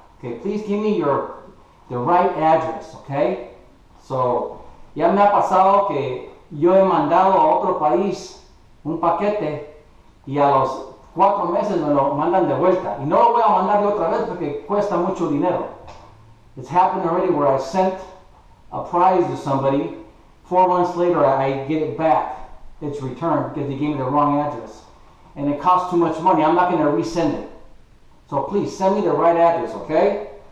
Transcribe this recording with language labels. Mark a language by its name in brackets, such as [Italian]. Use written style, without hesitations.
[English] Okay, please give me the right address, okay? [Spanish] So, ya me ha pasado que yo he mandado a otro país un paquete y a los 4 meses me lo mandan de vuelta. Y no lo voy a mandar de otra vez porque cuesta mucho dinero. [English] It's happened already where I sent a prize to somebody. 4 months later, I get it back. It's returned because they gave me the wrong address. And it costs too much money. I'm not going to resend it. So please, send me the right address, okay?